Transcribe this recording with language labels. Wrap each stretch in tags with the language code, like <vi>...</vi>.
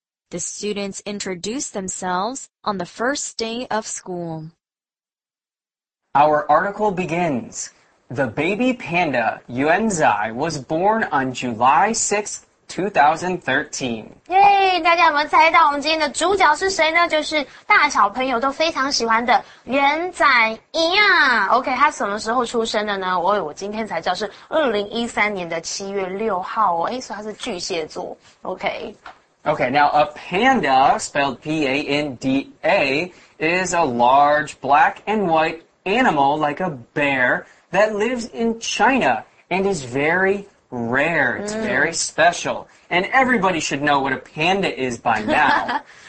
<en>The students introduced themselves on the first day of school. Our article begins. The baby panda, Yuan Zai, was born on July 6, 2013. Yay!</en> <zh>大家有没有猜到我们今天的主角是谁呢？就是大小朋友都非常喜欢的圆仔一呀。 OK, 他什么时候出生的呢？我今天才知道是2013年的7月6号哦。所以他是巨蟹座。OK。</zh> <en>OK, now a panda, spelled P-A-N-D-A, is a large black and white animal like a bear that lives in China and is very... rare. It's very special. And everybody should know what a panda is by now.</en>